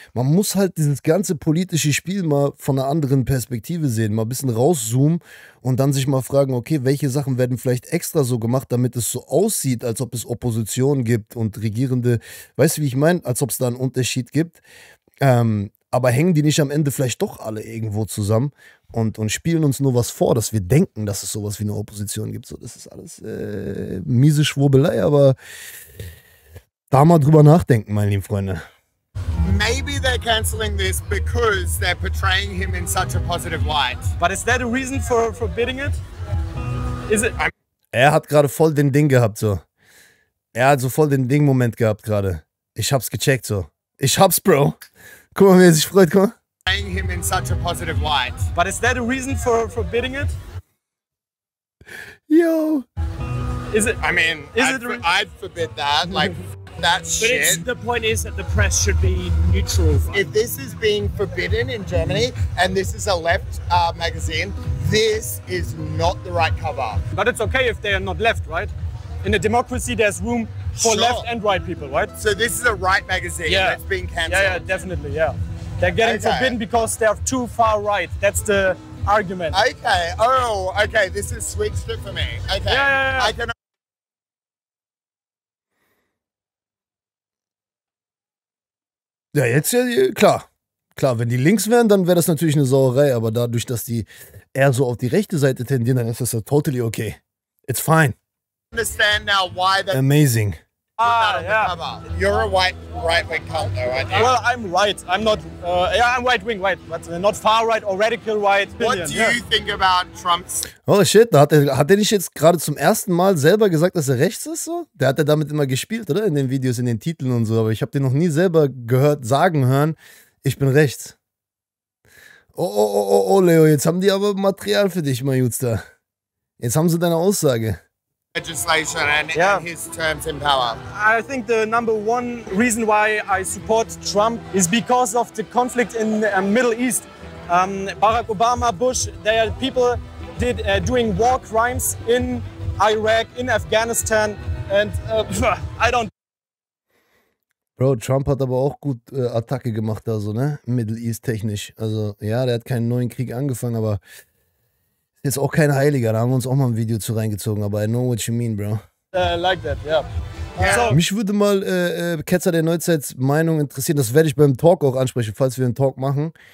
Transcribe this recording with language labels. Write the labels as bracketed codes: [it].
[de] Man muss halt dieses ganze politische Spiel mal von einer anderen Perspektive sehen, mal ein bisschen rauszoomen und dann sich mal fragen, okay, welche Sachen werden vielleicht extra so gemacht, damit es so aussieht, als ob es Opposition gibt und Regierende, weißt du, wie ich meine, als ob es da einen Unterschied gibt. Aber hängen die nicht am Ende vielleicht doch alle irgendwo zusammen und spielen uns nur was vor, dass wir denken, dass es sowas wie eine Opposition gibt. So, das ist alles miese Schwurbelei, aber da mal drüber nachdenken, meine lieben Freunde. [en] Maybe they're canceling this because they're portraying him in such a positive light. But is that a reason for forbidding it? Is it? [de] Er hat gerade voll den Ding gehabt, so. Er hat so voll den Ding-Moment gehabt gerade. Ich hab's gecheckt, so. Ich hab's, Bro. Guck mal, wie er sich freut, guck mal. [en] Playing him in such a positive light. But is that a reason for forbidding it? Yo. Is it? I mean, I'd forbid that. Like, that shit. But the point is that the press should be neutral. If this is being forbidden in Germany, and this is a left magazine, this is not the right cover. But it's okay if they are not left, right? In a democracy, there's room for sure. Left and right people, right? So this is a right magazine, yeah. That's being cancelled. Yeah, yeah, definitely, yeah. They're getting forbidden because they're too far right. That's the argument. Okay, oh, okay, this is switched it for me. Okay, yeah, yeah, yeah. I can... [de] Ja, jetzt ja, klar. Klar, wenn die links wären, dann wäre das natürlich eine Sauerei, aber dadurch, dass die eher so auf die rechte Seite tendieren, dann ist das ja [en] totally okay. It's fine. Understand now why that amazing. Yeah. You're a white right-wing cult though, aren't you? Well, I'm right. I'm not I'm right-wing, right, but not far right or radical right. What do you think about Trump's? [de] Oh shit, hat er nicht jetzt gerade zum ersten Mal selber gesagt, dass er rechts ist so? Der hat ja damit immer gespielt, oder? In den Videos, in den Titeln und so, aber ich habe den noch nie selber gehört sagen hören, ich bin rechts. Oh, oh, oh, oh, Leo, jetzt haben die aber Material für dich, mein Jutster. Jetzt haben sie deine Aussage. [en] Legislation and, yeah, and his terms in power. I think the number one reason why I support Trump is because of the conflict in the Middle East. Barack Obama, Bush, they are people did doing war crimes in Iraq, in Afghanistan, and I don't. [de] Bro, Trump hat aber auch gut Attacke gemacht da so, ne? Middle East technisch. Also ja, der hat keinen neuen Krieg angefangen, aber jetzt auch kein Heiliger. Da haben wir uns auch mal ein Video zu reingezogen, aber [en] I know what you mean, bro. Like that, yeah. Yeah. [de] So, mich würde mal Ketzer der Neuzeit Meinung interessieren, das werde ich beim Talk auch ansprechen, falls wir einen Talk machen.